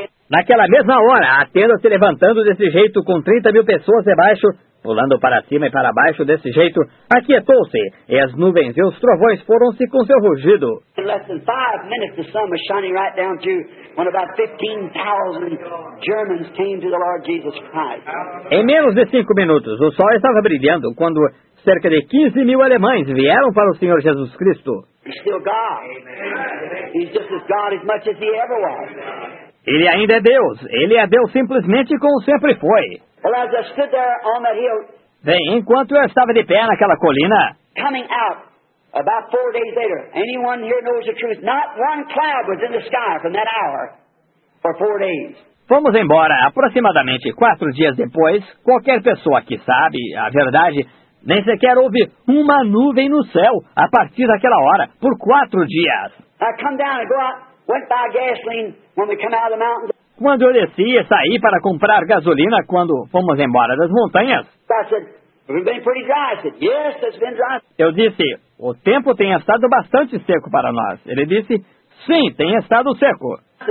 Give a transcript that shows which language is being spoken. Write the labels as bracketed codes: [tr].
[pt] Naquela mesma hora, a tenda se levantando desse jeito, com 30 mil pessoas debaixo, pulando para cima e para baixo desse jeito, aquietou-se, e as nuvens e os trovões foram-se com seu rugido. Em menos de 5 minutos, o sol estava [en] shining right down to. When about 15,000 Germans came to the Lord Jesus Christ. [pt] Em menos de 5 minutos, o sol estava brilhando quando cerca de 15 mil alemães vieram para o Senhor Jesus Cristo. [en] He's still God. Amen. He's just as God as much as He ever was. [pt] Ele ainda é Deus. Ele é Deus simplesmente como sempre foi. [en] Well, as I stood there on that hill, [pt] bem, enquanto eu estava de pé naquela colina, [en] coming out. About 4 days later, anyone here knows the truth. Not one cloud was in the sky from that hour for 4 days. [pt] Fomos embora aproximadamente 4 dias depois. Qualquer pessoa que sabe a verdade, nem sequer houve uma nuvem no céu a partir daquela hora por 4 dias. [en] I come down and go out, went by gasoline when we come out of the mountains. [pt] Quando eu desci e saí para comprar gasolina quando fomos embora das montanhas. [en] We've been pretty dry. I said, yes, it's been dry. [pt] Eu disse, o tempo tem estado bastante seco para nós. Ele disse, sim, tem estado seco.